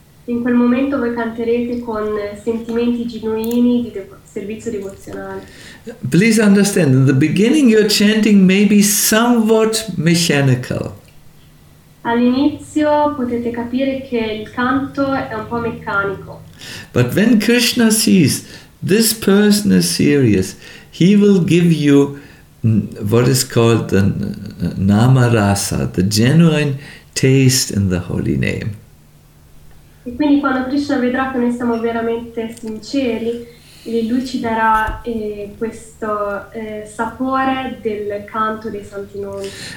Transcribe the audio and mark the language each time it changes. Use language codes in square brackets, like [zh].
[it] In quel momento voi canterete con sentimenti genuini di servizio devozionale. [en] Please understand, in the beginning your chanting may be somewhat mechanical. [it] All'inizio potete capire che il canto è un po' meccanico. [en] But when Krishna sees this person is serious, he will give you what is called the namarasa, the genuine taste in the holy name. [it] E quindi quando Krishna vedrà che noi siamo veramente sinceri, lui ci darà questo sapore del canto dei santi nomi.